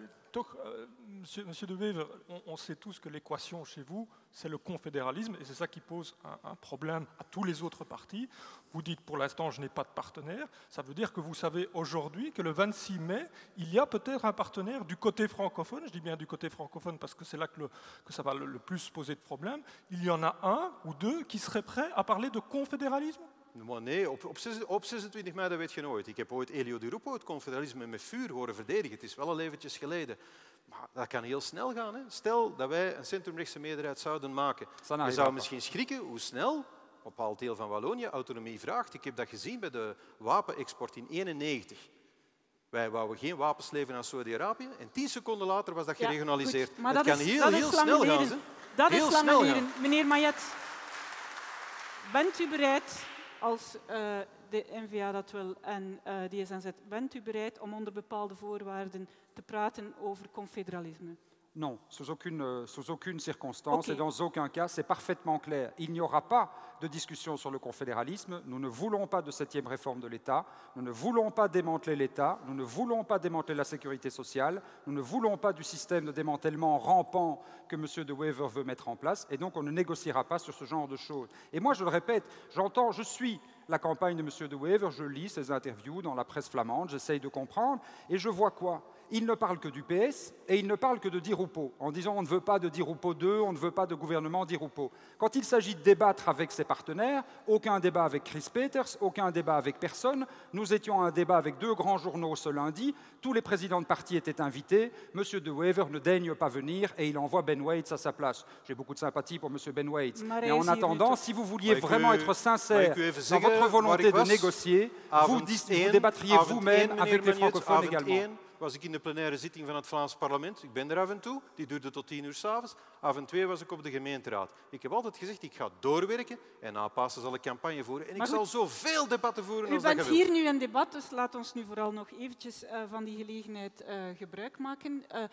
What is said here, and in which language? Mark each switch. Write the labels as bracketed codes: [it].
[fr] Toch, monsieur De Wever, on sait tous que l'équation chez vous, c'est le confédéralisme, et c'est ça qui pose un problème à tous les autres partis. Vous dites, pour l'instant, je n'ai pas de partenaire. Ça veut dire que vous savez aujourd'hui que le 26 mai, il y a peut-être un partenaire du côté francophone, je dis bien du côté francophone parce que c'est là que ça va le plus poser de problèmes, il y en a un ou deux qui seraient prêts à parler de confédéralisme. [nl] Nee, op 26 mei, dat weet je nooit. Ik heb ooit Elio Di Rupo het confederalisme met vuur horen verdedigen. Het is wel al eventjes geleden. Maar dat kan heel snel gaan. Hè. Stel dat wij een centrumrechtse meerderheid zouden maken. Je zou misschien schrikken hoe snel, op een bepaald deel van Wallonië, autonomie vraagt. Ik heb dat gezien bij de wapenexport in 1991. Wij wouden geen wapens leveren aan Saudi-Arabië. En 10 seconden later was dat geregionaliseerd. Ja, dat kan heel snel gaan. Dat is lang geleden. Meneer Mayet, bent u bereid... Als de N-VA dat wil en die SNZ, bent u bereid om onder bepaalde voorwaarden te praten over confédéralisme? [fr] Non, sous aucune circonstance et dans aucun cas, c'est parfaitement clair. Il n'y aura pas de discussion sur le confédéralisme. Nous ne voulons pas de 7e réforme de l'État. Nous ne voulons pas démanteler l'État. Nous ne voulons pas démanteler la sécurité sociale. Nous ne voulons pas du système de démantèlement rampant que M. De Wever veut mettre en place. Et donc, on ne négociera pas sur ce genre de choses. Et moi, je le répète, j'entends, je suis... La campagne de M. De Wever, je lis ses interviews dans la presse flamande, j'essaye de comprendre, et je vois quoi? Il ne parle que du PS, et il ne parle que de Di Rupo, en disant on ne veut pas de Di Rupo 2, on ne veut pas de gouvernement Di Rupo. Quand il s'agit de débattre avec ses partenaires, aucun débat avec Chris Peters, aucun débat avec personne, nous étions à un débat avec deux grands journaux ce lundi, tous les présidents de parti étaient invités, M. De Wever ne daigne pas venir, et il envoie Ben Waits à sa place. J'ai beaucoup de sympathie pour M. Ben Waits, mais en attendant, si vous vouliez vraiment être sincère dans votre volonté de négocier, vous débattriez vous-même avec les francophones également. [nl] was ik in de plenaire zitting van het Vlaams parlement. Ik ben er af en toe. Die duurde tot 10 uur 's avonds. Af en twee was ik op de gemeenteraad. Ik heb altijd gezegd, ik ga doorwerken en na Pasen zal ik campagne voeren. En maar ik zal zoveel debatten voeren als dat je wilt. U bent hier nu in debat, dus laat ons nu vooral nog eventjes van die gelegenheid gebruik maken.